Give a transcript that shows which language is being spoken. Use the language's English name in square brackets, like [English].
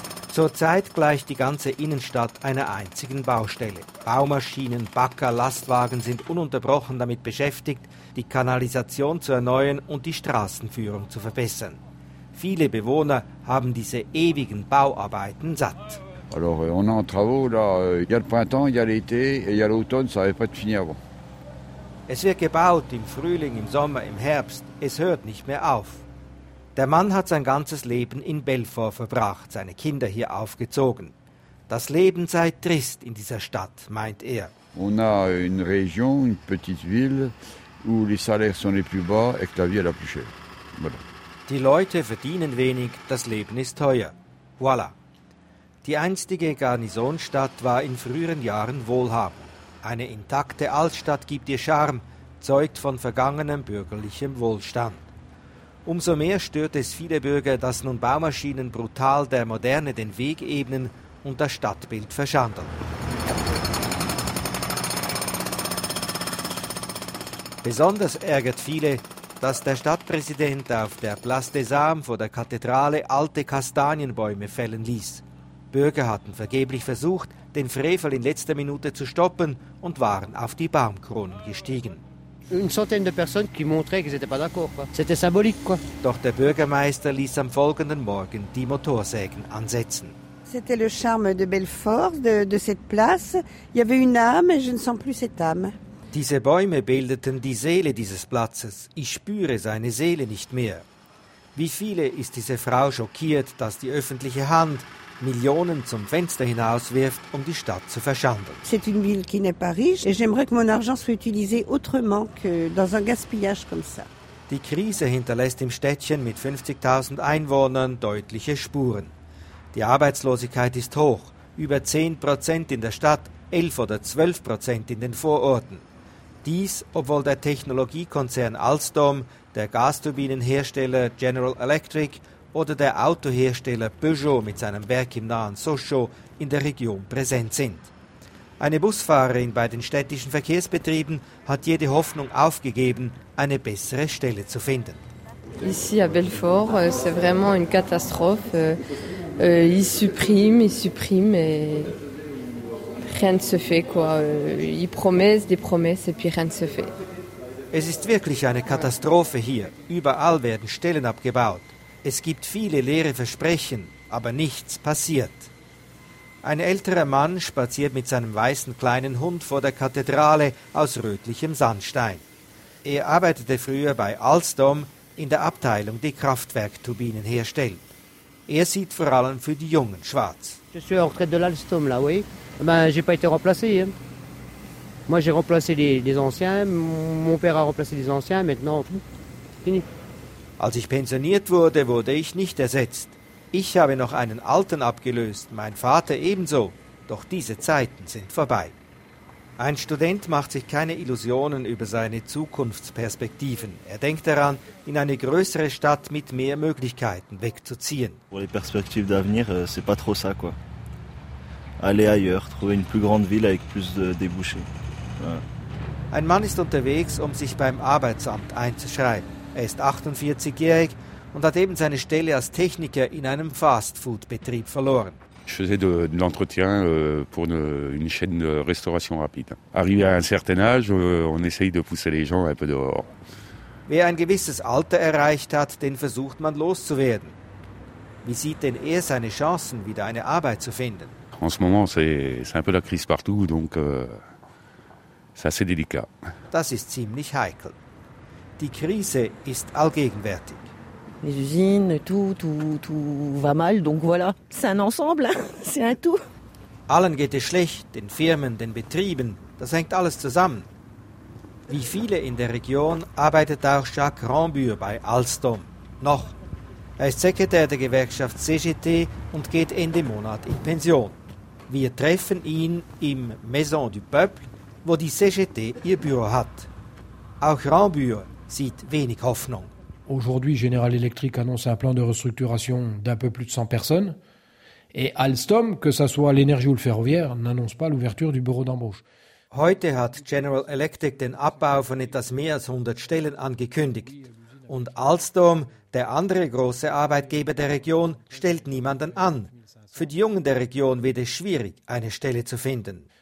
[German] Zurzeit gleicht die ganze Innenstadt einer einzigen Baustelle. Baumaschinen, Bagger, Lastwagen sind ununterbrochen damit beschäftigt, die Kanalisation zu erneuern und die Straßenführung zu verbessern. Viele Bewohner haben diese ewigen Bauarbeiten satt. [French] Alors, on est en travaux là. Il y a le printemps, il y a l'été et il y a l'automne, ça n'avait pas de fini avant. [German] Es wird gebaut im Frühling, im Sommer, im Herbst. Es hört nicht mehr auf. Der Mann hat sein ganzes Leben in Belfort verbracht, seine Kinder hier aufgezogen. Das Leben sei trist in dieser Stadt, meint er. [French] On a une région, une petite ville, où les salaires sont les plus bas et que la vie est la plus chère. Voilà. [German] Die Leute verdienen wenig, das Leben ist teuer. Voilà. Die einstige Garnisonstadt war in früheren Jahren wohlhabend. Eine intakte Altstadt gibt ihr Charme, zeugt von vergangenem bürgerlichem Wohlstand. Umso mehr stört es viele Bürger, dass nun Baumaschinen brutal der Moderne den Weg ebnen und das Stadtbild verschandeln. Besonders ärgert viele, dass der Stadtpräsident auf der Place des Armes vor der Kathedrale alte Kastanienbäume fällen ließ. Bürger hatten vergeblich versucht, den Frevel in letzter Minute zu stoppen und waren auf die Baumkronen gestiegen. [French] Une centaine de personnes qui montraient qu'ils étaient pas d'accord quoi. C'était symbolique quoi. [German] Doch der Bürgermeister ließ am folgenden Morgen die Motorsägen ansetzen. [French] C'était le charme de Belfort, de cette place. Il y avait une âme, je ne sens plus cette âme. [German] Diese Bäume bildeten die Seele dieses Platzes. Ich spüre seine Seele nicht mehr. Wie viele ist diese Frau schockiert, dass die öffentliche Hand Millionen zum Fenster hinauswirft, um die Stadt zu verschandeln. [French] C'est une ville qui n'est pas riche et j'aimerais que mon argent soit utilisé autrement que dans un gaspillage comme ça. [German] Die Krise hinterlässt im Städtchen mit 50.000 Einwohnern deutliche Spuren. Die Arbeitslosigkeit ist hoch, über 10% in der Stadt, 11 oder 12% in den Vororten. Dies, obwohl der Technologiekonzern Alstom, der Gasturbinenhersteller General Electric oder der Autohersteller Peugeot mit seinem Werk im nahen Sochaux in der Region präsent sind. Eine Busfahrerin bei den städtischen Verkehrsbetrieben hat jede Hoffnung aufgegeben, eine bessere Stelle zu finden. [French] Ici à Belfort, c'est vraiment une catastrophe. Ils suppriment, rien ne se fait quoi. Ils promettent des promesses et puis rien ne se fait. [German] Es ist wirklich eine Katastrophe hier. Überall werden Stellen abgebaut. Es gibt viele leere Versprechen, aber nichts passiert. Ein älterer Mann spaziert mit seinem weißen kleinen Hund vor der Kathedrale aus rötlichem Sandstein. Er arbeitete früher bei Alstom in der Abteilung, die Kraftwerkturbinen herstellt. Er sieht vor allem für die Jungen schwarz. [French] Je suis en retraite de l'Alstom, là, oui. Ben, j'ai pas été remplacé. Hein. Moi, j'ai remplacé les anciens. Mon père a remplacé les anciens. Maintenant, fini. [German] Als ich pensioniert wurde, wurde ich nicht ersetzt. Ich habe noch einen Alten abgelöst, mein Vater ebenso. Doch diese Zeiten sind vorbei. Ein Student macht sich keine Illusionen über seine Zukunftsperspektiven. Er denkt daran, in eine größere Stadt mit mehr Möglichkeiten wegzuziehen. [French] Pour les perspectives d'avenir, c'est pas trop ça, quoi. Aller ailleurs, trouver une plus grande ville avec plus de débouchés. [German] Ja. Ein Mann ist unterwegs, um sich beim Arbeitsamt einzuschreiben. Er ist 48-jährig und hat eben seine Stelle als Techniker in einem Fast-Food-Betrieb verloren. Ich [French] faisais de l'entretien pour une chaîne de restauration rapide. Arrivé à un certain âge, on essaye de pousser les gens un peu dehors. [German] Wer ein gewisses Alter erreicht hat, den versucht man loszuwerden. Wie sieht denn er seine Chancen, wieder eine Arbeit zu finden? [French] En ce moment, c'est un peu la crise partout, donc c'est assez délicat. [German] Das ist ziemlich heikel. Die Krise ist allgegenwärtig. [French] Les usines, tout va mal, donc voilà. C'est un ensemble, c'est un tout. [German] Allen geht es schlecht, den Firmen, den Betrieben, das hängt alles zusammen. Wie viele in der Region arbeitet auch Jacques Rambur bei Alstom. Noch. Er ist Sekretär der Gewerkschaft CGT und geht Ende Monat in Pension. Wir treffen ihn im Maison du Peuple, wo die CGT ihr Büro hat. Auch Rambur sieht wenig Hoffnung. [French] Aujourd'hui, General Electric annonce un plan de restructuration d'un peu plus de 100 personnes. Et Alstom, que ce soit l'énergie ou le ferroviaire, n'annonce pas l'ouverture du bureau d'embauche. [German] Heute hat General Electric den Abbau von etwas mehr als 100 Stellen angekündigt. Und Alstom, der andere große Arbeitgeber der Region, stellt niemanden an. Für die Jungen der Region wird es schwierig, eine Stelle zu finden.